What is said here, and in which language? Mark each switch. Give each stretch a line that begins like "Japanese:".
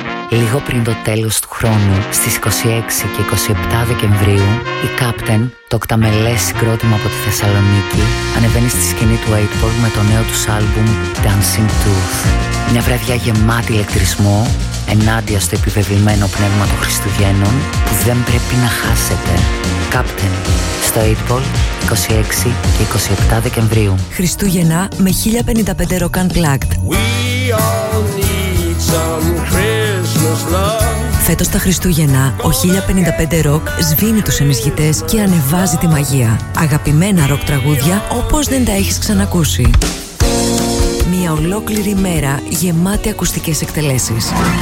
Greek: Λίγο πριν το τέλος του χρόνου, στις 26 και 27 Δεκεμβρίου, η Captain, το κταμελές συγκρότημα από τη Θεσσαλονίκη, ανεβαίνει στη σκηνή του 8-Ball με το νέο τους άλμπουμ Dancing Tooth. Μια βραδιά γεμάτη ηλεκτρισμό, ενάντια στο επιβεβλημένο πνεύμα των Χριστουγέννων, που δεν πρέπει να χάσετε. Captain, στο 8-Ball, 26 και 27 Δεκεμβρίου. Χριστούγεννα με 1055 Rock Unplugged.
English: We all need some Christmas love.
Greek: Φέτος τα Χριστούγεννα, ο 1055 Rock σβήνει τους ενισχυτές και ανεβάζει τη μαγεία. Αγαπημένα ροκ τραγούδια όπως δεν τα έχεις ξανακούσει. Μια ολόκληρη μέρα γεμάτη ακουστικές εκτελέσεις.